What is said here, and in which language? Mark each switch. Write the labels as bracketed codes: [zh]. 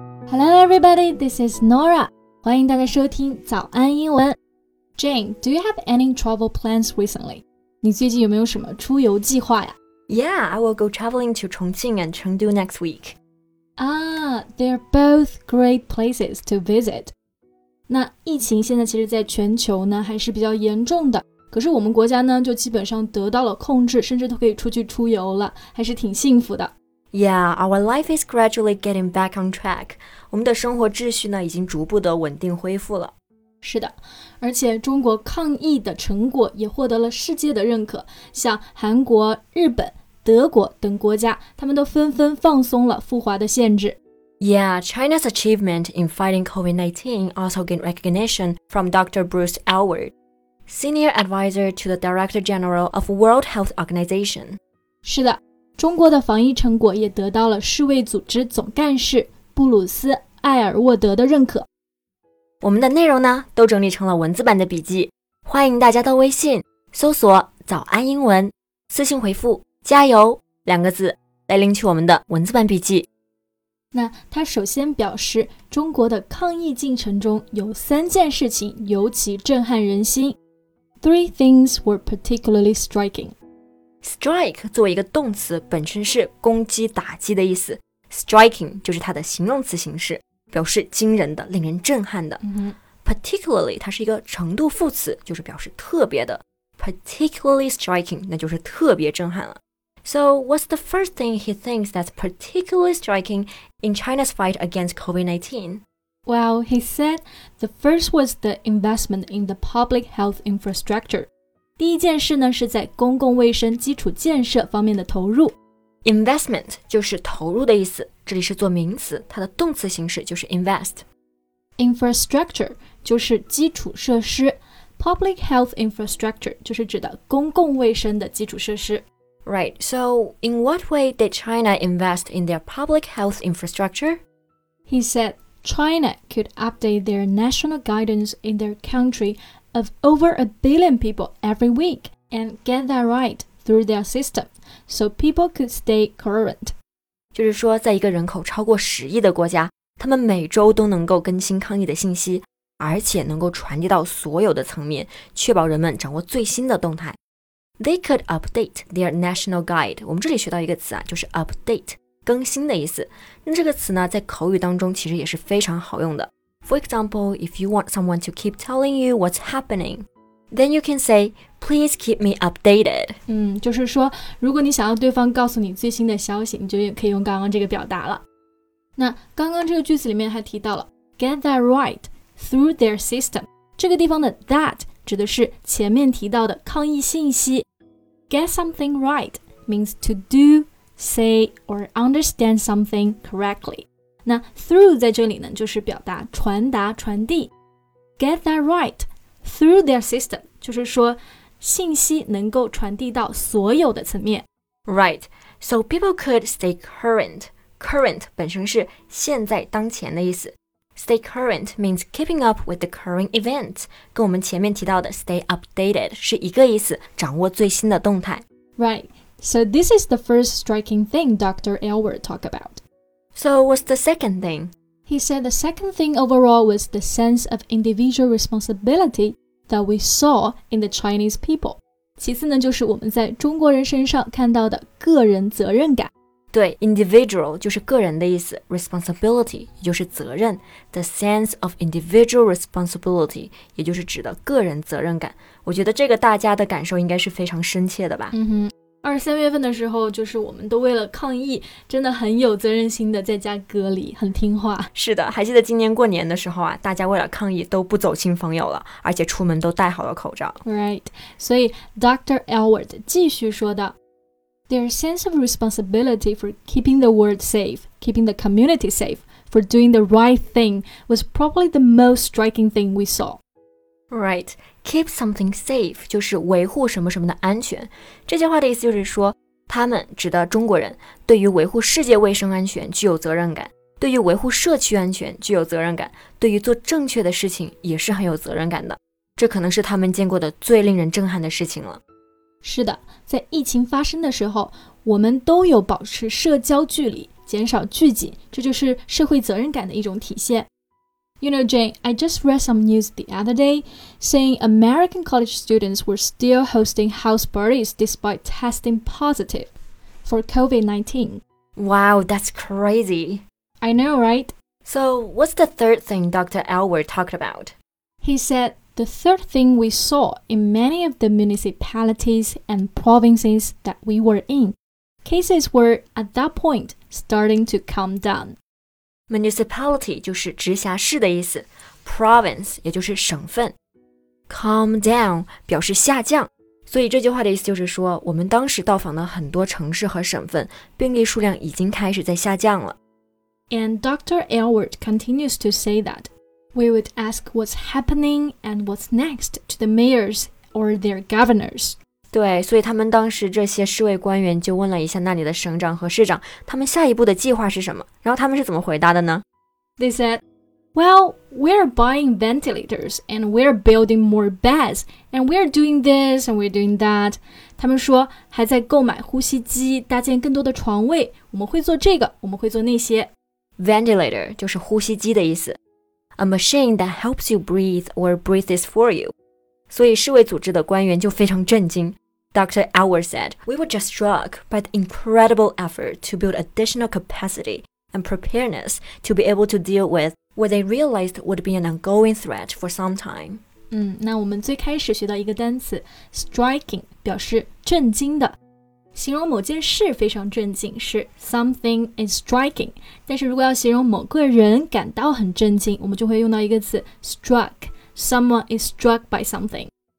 [en] Hello everybody, this is Nora. [zh] 欢迎大家收听早安英文。 [en] Jane, do you have any travel plans recently? [zh] 你最近有没有什么出游计划呀？ [en] Yeah, I will go traveling to Chongqing and Chengdu next week. They're both great places to visit. [zh] 那疫情现在其实在全球呢还是比较严重的。可是我们国家呢就基本上得到了控制甚至都可以出去出游了还是挺幸福的。 [en] Yeah, our life is gradually getting back on track. [zh] 我们的生活秩序呢已经逐步的稳定恢复了。是的，而且中国抗疫的成果也获得了世界的认可，像韩国、日本、德国等国家，他们都纷纷放松了赴华的限制。 [en] Yeah, China's achievement in fighting COVID-19 also gained recognition from Dr. Bruce Aylward, Senior Advisor to the Director General of World Health Organization. [zh] 是的，中国的防疫成果也得到了世卫组织总干事布鲁斯·艾尔沃德的认可。我们的内容呢都整理成了文字版的笔记，欢迎大家到微信搜索早安英文，私信回复加油两个字来领取我们的文字版笔记。那他首先表示中国的抗疫进程中有三件事情尤其震撼人心。 [en] Three things were particularly striking. [zh] Strike 作为一个动词本身是攻击打击的意思， Striking 就是它的形容词形式，表示惊人的令人震撼的、 mm-hmm. Particularly 它是一个程度副词，就是表示特别的， Particularly striking 那就是特别震撼了。 [en] So what's the first thing he thinks that's particularly striking in China's fight against COVID-19? Well, he said the first was the investment in the public health infrastructure. [zh] 第一件事呢是在公共卫生基础建设方面的投入。 Investment 就是投入的意思，这里是做名词，它的动词形式就是 invest。 Infrastructure 就是基础设施， Public health infrastructure 就是指的公共卫生的基础设施。 [en] Right, so in what way did China invest in their public health infrastructure? He said China could update their national guidance in their country of over a billion people every week and get that right through their system so people could stay current. [zh] 就是说在一个人口超过十亿的国家，他们每周都能够更新抗疫的信息，而且能够传递到所有的层面，确保人们掌握最新的动态。 [en] They could update their national guide. [zh] 我们这里学到一个词啊，就是 update, 更新的意思。那这个词呢在口语当中其实也是非常好用的。 [en] For example, if you want someone to keep telling you what's happening, then you can say,Please keep me updated. [zh] 就是说如果你想要对方告诉你最新的消息，你就也可以用刚刚这个表达了。那刚刚这个句子里面还提到了 [en] get that right through their system. [zh] 这个地方的 that 指的是前面提到的抗疫信息。 [en] Get something right means to do, say, or understand something correctly. [zh] 那 through 在这里呢就是表达传达传递。 [en] Get that right through their system. [zh] 就是说信息能够传递到所有的层面。 [en] Right, so people could stay current. [zh] Current 本身是现在当前的意思。 [en] Stay current means keeping up with the current events, [zh] 跟我们前面提到的 stay updated 是一个意思，掌握最新的动态。 [en] Right, so this is the first striking thing Dr. Aylward talked about. So what's the second thing? He said the second thing overall was the sense of individual responsibilityThat we saw in the Chinese people. [zh] 其次呢，就是我们在中国人身上看到的个人责任感。对 ，individual 就是个人的意思 ，responsibility 也就是责任。 [en] The sense of individual responsibility [zh] 也就是指的个人责任感。我觉得这个大家的感受应该是非常深切的吧。嗯哼，二三月份的时候，就是我们都为了抗疫，真的很有责任心的在家隔离，很听话。是的，还记得今年过年的时候啊，大家为了抗疫都不走亲访友了，而且出门都戴好了口罩。 Right, 所以 Dr. [en] Aylward [zh] 继续说道 [en] ，Their sense of responsibility for keeping the world safe, keeping the community safe, for doing the right thing was probably the most striking thing we saw. Right, keep something safe [zh] 就是维护什么什么的安全。这句话的意思就是说，他们指的中国人对于维护世界卫生安全具有责任感，对于维护社区安全具有责任感，对于做正确的事情也是很有责任感的。这可能是他们见过的最令人震撼的事情了。是的，在疫情发生的时候，我们都有保持社交距离，减少聚集，这就是社会责任感的一种体现。 [en] You know, Jane, I just read some news the other day saying American college students were still hosting house parties despite testing positive for COVID-19. Wow, that's crazy. I know, right? So, what's the third thing Dr. Elward talked about? He said, the third thing we saw in many of the municipalities and provinces that we were in, cases were, at that point, starting to calm down. [zh] Municipality 就是直辖市的意思 Province 也就是省份 Calm down 表示下降所以这句话的意思就是说我们当时到访了很多城市和省份病例数量已经开始在下降了 [en] And Dr. Elward continues to say that We would ask what's happening and what's next to the mayors or their governors [zh] 对所以他们当时这些市委官员就问了一下那里的省长和市长他们下一步的计划是什么然后他们是怎么回答的呢 [en] They said, well, we're buying ventilators and we're building more beds and we're doing this and we're doing that. [zh] 他们说还在购买呼吸机搭建更多的床位我们会做这个我们会做那些。 Ventilator 就是呼吸机的意思。 [en] A machine that helps you breathe or breathes for you. [zh] 所以世卫组织的官员就非常震惊。 [en] Dr. Elward said, We were just struck by the incredible effort to build additional capacity and preparedness to be able to deal with what they realized would be an ongoing threat for some time. [zh] 那我们最开始学到一个单词 striking 表示震惊的。形容某件事非常震惊是 [en] something is striking, [zh] 但是如果要形容某个人感到很震惊我们就会用到一个词 struck, [en] Someone is struck by something.